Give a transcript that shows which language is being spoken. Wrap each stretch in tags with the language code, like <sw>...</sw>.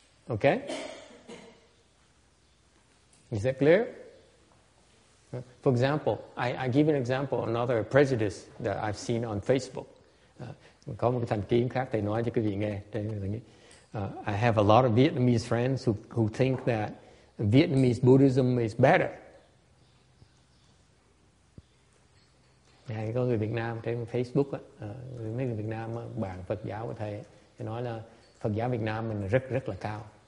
<en>Okay, is that clear? For example, I give an example, another prejudice that I've seen on Facebook.</en> <vi>Có một thành kiến khác thầy nói cho quý vị nghe.</vi> <en>I have a lot of Vietnamese friends who think that Vietnamese Buddhism is better.</en> <vi>Có người Việt Nam trên Facebook, mấy người Việt Nam bạn Phật giáo của thầy, thầy nói là Phật giáo Việt Nam mình rất rất là cao.</vi>